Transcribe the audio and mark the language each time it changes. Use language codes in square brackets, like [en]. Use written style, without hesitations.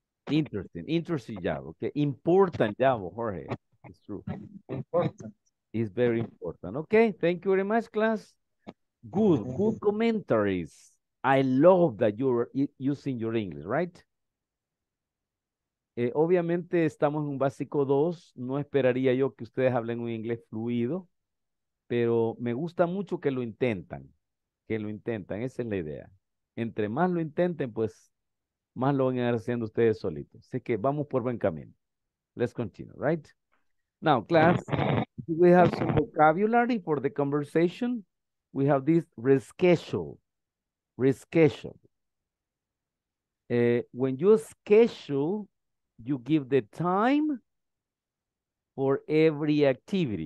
[en] Interesting job, okay? Important job, Jorge. It's true. Important. It's very important. Okay, thank you very much, class. Good commentaries. I love that you're using your English, right? [es] Obviamente estamos en un básico 2, no esperaría yo que ustedes hablen un inglés fluido, pero me gusta mucho que lo intentan, esa es la idea. Entre más lo intenten, pues más lo van a ir haciendo ustedes solitos. Así que vamos por buen camino. [en] Let's continue, right? Now, class, we have some vocabulary for the conversation. We have this reschedule. When you schedule, you give the time for every activity.